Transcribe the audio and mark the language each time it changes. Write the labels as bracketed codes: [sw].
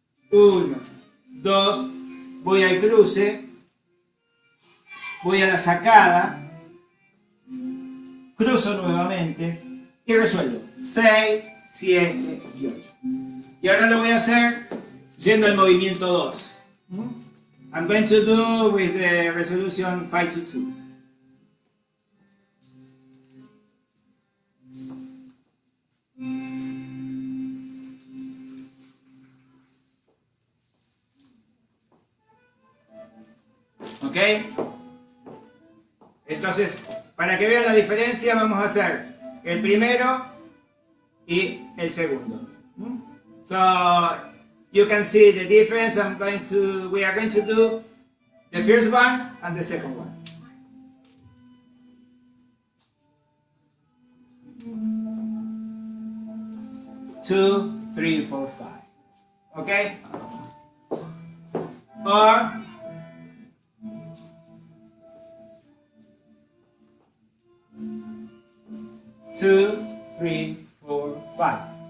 [es] 1, 2, voy al cruce, voy a la sacada, cruzo nuevamente y resuelvo. 6, 7 y 8. Y ahora lo voy a hacer yendo al movimiento 2. [en] I'm going to do with the resolution 5 to 2. ¿Ok? [es] Entonces, para que vean la diferencia, vamos a hacer el primero y el segundo. [en] So, you can see the difference. We are going to do the first one and the second one. Two, three, four, five. Okay? Or, two, three, four, five.